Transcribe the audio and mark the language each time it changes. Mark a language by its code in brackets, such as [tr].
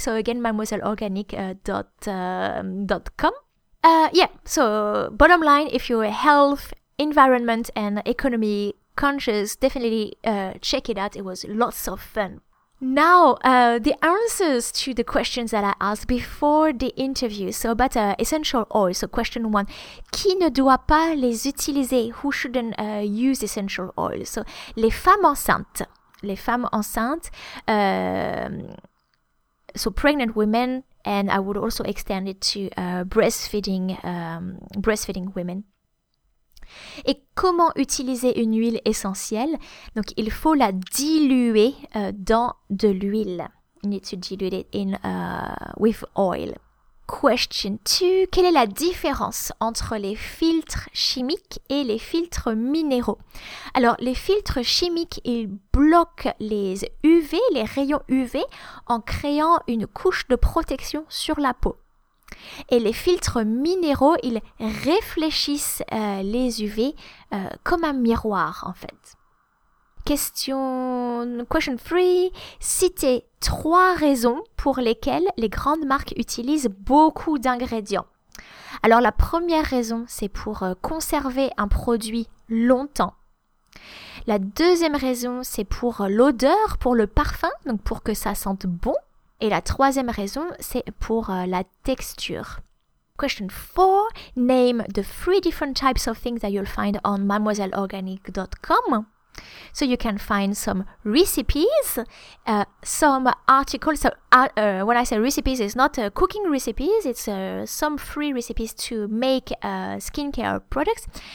[en] So again, mademoiselleorganique.com. So bottom line, if you're health, environment and economy conscious, definitely check it out. It was lots of fun. Now, the answers to the questions that I asked before the interview. So about essential oils. So question one, [fr] qui ne doit pas les utiliser? [en] Who shouldn't use essential oils? So [fr] les femmes enceintes, [en] so pregnant women. And I would also extend it to breastfeeding women. [fr] Et comment utiliser une huile essentielle? Donc, il faut la diluer dans de l'huile. [en] You need to dilute it in with oil. Question 2. [fr] Quelle est la différence entre les filtres chimiques et les filtres minéraux? Alors, les filtres chimiques, ils bloquent les UV, les rayons UV, en créant une couche de protection sur la peau. Et les filtres minéraux, ils réfléchissent les UV comme un miroir, en fait. Question 3. Citez 3 raisons pour lesquelles les grandes marques utilisent beaucoup d'ingrédients. Alors la première raison, c'est pour conserver un produit longtemps. La deuxième raison, c'est pour l'odeur, pour le parfum, donc pour que ça sente bon. Et la troisième raison, c'est pour la texture. [en] Question 4, name the 3 different types of things that you'll find on mademoiselleorganique.com. So you can find some recipes, some articles. So when I say recipes, it's not cooking recipes. It's some free recipes to make skincare products.